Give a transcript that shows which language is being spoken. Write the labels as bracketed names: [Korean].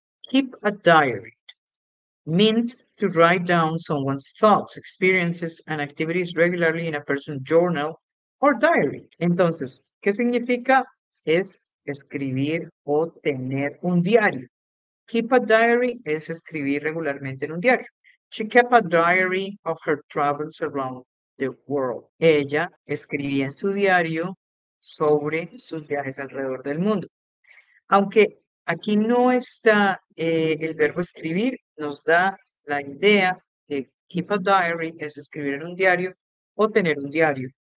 [English] Keep a diary means to write down someone's thoughts, experiences, and activities regularly in a person's journal or diary. [Spanish] Entonces, ¿qué significa? Es escribir o tener un diario. [English] Keep a diary [Spanish] es escribir regularmente en un diario. [English] She kept a diary of her travels around the world. [Spanish] Ella escribía en su diario sobre sus viajes alrededor del mundo. Aunque aquí no está el verbo escribir, nos da la idea de [English] keep a diary [Spanish] es escribir en un diario o tener un diario.